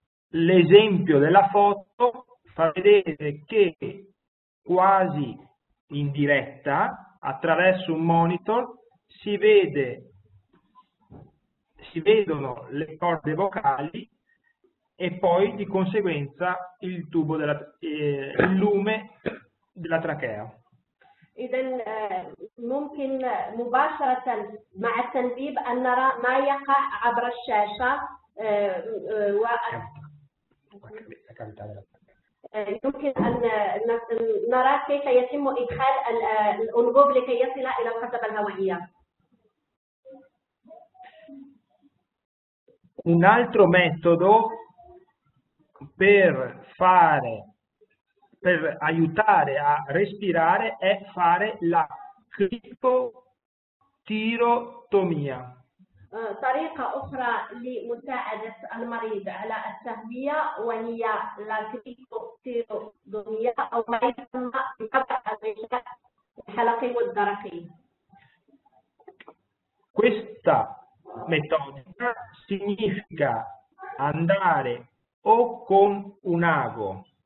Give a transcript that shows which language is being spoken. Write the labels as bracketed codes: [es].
[it] L'esempio della foto fa vedere che quasi in diretta attraverso un monitor si vedono le corde vocali e poi di conseguenza il tubo della il lume della trachea. [ar] إذن ممكن مباشرة مع التنبيب أن نرى ما يقع عبر الشاشة و يمكن أن نرى كيف يتم إدخال الأنبوب لكي يصل إلى القصبة الهوائية. [it] Un altro metodo per fare per aiutare a respirare è fare la clipotirotomia. [ar] طريقة أخرى لمساعدة المريض على التهوية وهي لا كليبوتيرودوميا أو ما يسمى بقطع الغشاء الحلقي والدرقي. [it] Questa metodica significa andare o con un ago.